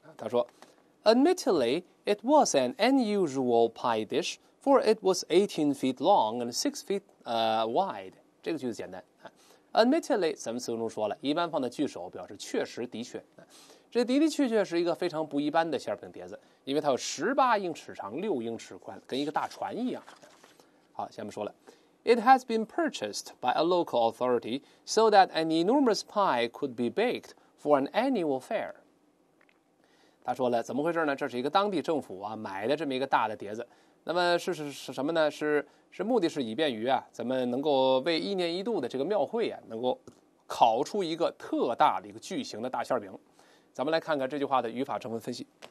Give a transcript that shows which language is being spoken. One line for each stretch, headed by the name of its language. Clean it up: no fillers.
Chinese: 他说
English: ，Admittedly, it was an unusual pie dish, for it was 18 feet long and 6 feet wide。
Chinese: 这个句子简单啊。Admittedly， 咱们词中说了一般放在句首，表示确实的确。这的的确确是一个非常不一般的馅饼碟子，因为它有18英尺长，6英尺宽，跟一个大船一样。好，下面说了。
English: It has been purchased by a local authority so that an enormous pie could be baked for an annual fair.
Chinese: 他说了，怎么回事呢？这是一个当地政府啊买的这么一个大的碟子。那么是什么呢？是目的是以便于啊，咱们能够为一年一度的这个庙会啊，能够烤出一个特大的一个巨型的大馅饼。咱们来看看这句话的语法成分分析。